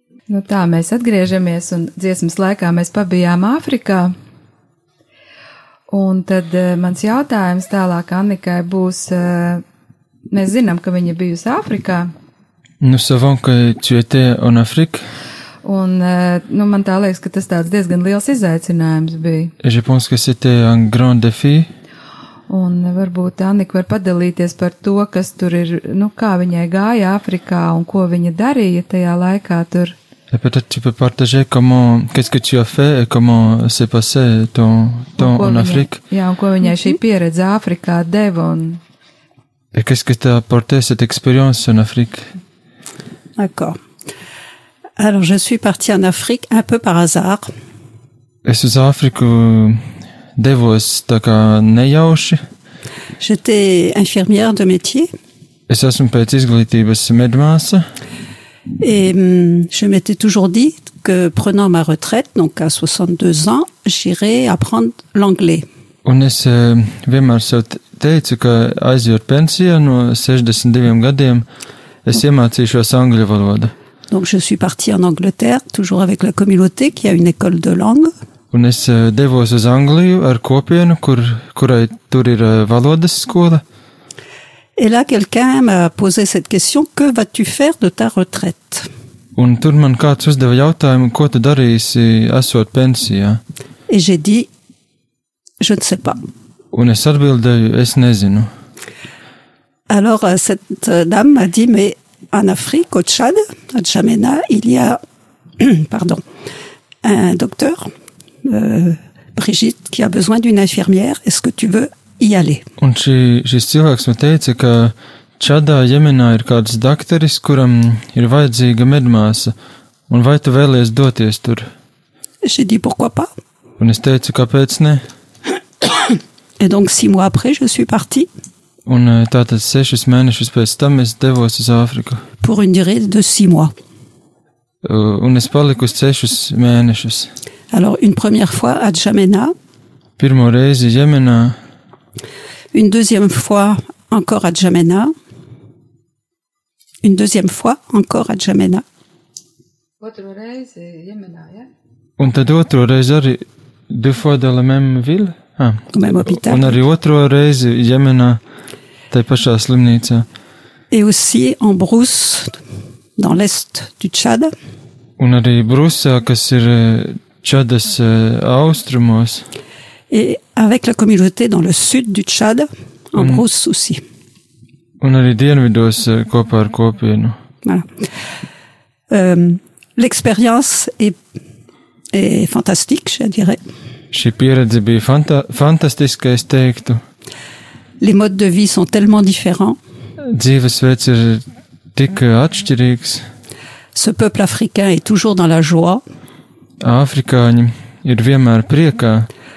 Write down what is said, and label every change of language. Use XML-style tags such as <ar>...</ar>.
<lv>Nu tā mēs atgriežamies, un dziesmas laikā mēs pabijām Āfrikā. Un tad mans jautājums tālāk Annikai būs, mēs zinām, ka viņa bijusi Āfrikā.</lv> <fr>Nous savons que tu étais en Afrique.</fr> <lv>Un nu, man tā liekas, ka tas tāds diezgan liels izaicinājums bija.</lv> <fr>Je pense que c'était un grand défi.</fr> <lv>Un varbūt Annika var padalīties par to, kas tur ir, nu kā viņai gāja Āfrikā un ko viņa darīja tajā laikā tur.</lv> <fr>Et peut-être tu peux partager comment, qu'est-ce que tu as fait et comment s'est passé ton temps en Afrique?</fr> <lv>Jā, un ko viņai šī pieredze Āfrikā deva un...</lv> <fr>Et qu'est-ce que t'as apporté cette expérience en Afrique? D'accord. Alors, je suis partie en Afrique un peu par hasard.</fr> <lv>Es uz Āfriku devos tā kā nejauši?</lv> <fr>J'étais infirmière de métier.</fr> <lv>Es esmu pēc izglītības medmāsa.</lv> <fr>Et je m'étais toujours dit que prenant ma retraite, donc à 62 ans, j'irai apprendre l'anglais.</fr> <lv>Un es vienmēr sev teicu, ka aizjot pensiju no 62 gadiem, es iemācīšos angļu valodu.</lv> <fr>Donc je suis partie en Angleterre, toujours avec la communauté qui a une école de langue.</fr> <lv>Un es devos uz Angliju ar kopienu, kurai tur ir valodas skola.</lv> <fr>Et là, quelqu'un m'a posé cette question, que vas-tu faire de ta retraite?</fr> <lv>Un tur man kāds uzdeva jautājumu, ko tu darīsi esot pensijā?</lv> <fr>Et j'ai dit, je ne sais pas.</fr> <lv>Un es atbildēju, es nezinu.</lv> <fr>Alors, cette dame m'a dit, mais en Afrique, au Tchad, à N'Djamena, il y a, pardon, un docteur, Brigitte, qui a besoin d'une infirmière, est-ce que tu veux y aller.</fr> <lv>Un šis cilvēks man teica, ka Čadā, Jemenā ir kāds dakteris, kuram ir vajadzīga medmāsa. Un vai tu vēlies doties tur?</lv> <fr>J'ai dit pourquoi pas.</fr> <lv>Un es teicu, kāpēc ne?</lv> <fr>Et donc 6 mois après, je suis parti.</fr> <lv>Un tātad 6 mēnešus pēc tam es devos uz Āfriku.</lv> <fr>Pour une durée de 6 mois.</fr> <lv>Un es paliku 6 mēnešus.</lv> <fr>Alors une première fois à N'Djamena.</fr> <lv>Pirmo reizi Jemenā.</lv> <fr>Une deuxième fois encore à N'Djamena. Une deuxième fois encore à N'Djamena.</fr> <lv>Otro reizi Jemenā, ja? Un tad otro reizi arī</lv> <fr>deux fois dans la même ville?</fr> <lv>Un arī otro reizi Jemenā, tai pašā slimnīcā.</lv> <fr>Et aussi en Brousse, dans l'est du Tchad.</fr> <lv>Un arī Brousse, kas ir Čadas austrumos.</lv> <fr>Et avec la communauté dans le sud du Tchad, en Brousse aussi.</fr> <lv>Un arī dienvidos kopā ar kopienu.</lv> <fr>Voilà. L'expérience est fantastique, je dirais.</fr> <lv>Šī pieredze bija fantastiska, es teiktu.</lv> <fr>Les modes de vie sont tellement différents.</fr> <lv>Dzīvesveids ir tik atšķirīgs.</lv> <fr>Ce peuple africain est toujours dans la joie.</fr> <lv>Afrikāņi ir vienmēr priekā.</lv>